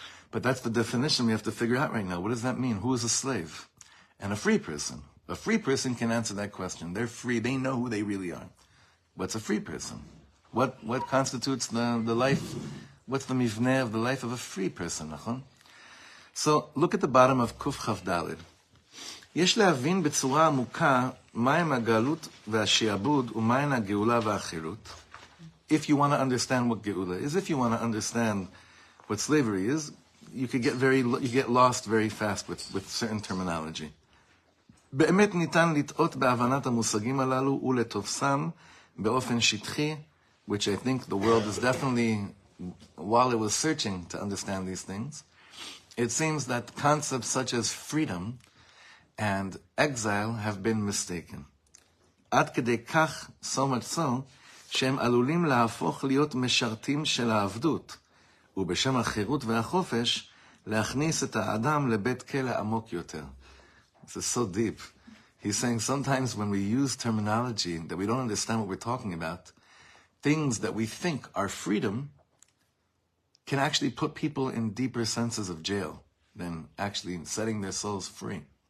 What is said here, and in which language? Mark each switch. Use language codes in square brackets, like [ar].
[en] But that's the definition we have to figure out right now. What does that mean? Who is a slave? And a free person. A free person can answer that question. They're free. They know who they really are. What's a free person? What constitutes the life? What's the mivneh of the life of a free person? Nachon? So look at the bottom of Kuf Chav Dalet. [he] יש להבין בצורה עמוקה מהם הגלות והשיעבוד ומהן הגאולה והחירות. [en] If you want to understand what geula is, if you want to understand what slavery is, you get lost very fast with certain terminology. [he] באמת ניתן לטעות בהבנת המושגים הללו ולתופסם באופן שטחי, [en] which I think the world is definitely, while it was searching to understand these things, it seems that concepts such as freedom and exile have been mistaken. [he] עד כדי כך, [en] so much so, [he] שהם עלולים להפוך להיות משרתים של העבדות, ובשם החירות והחופש, להכניס את האדם לבית כלא עמוק יותר. [en] This is so deep. He's saying sometimes when we use terminology that we don't understand what we're talking about, things that we think are freedom can actually put people in deeper senses of jail than actually setting their souls free.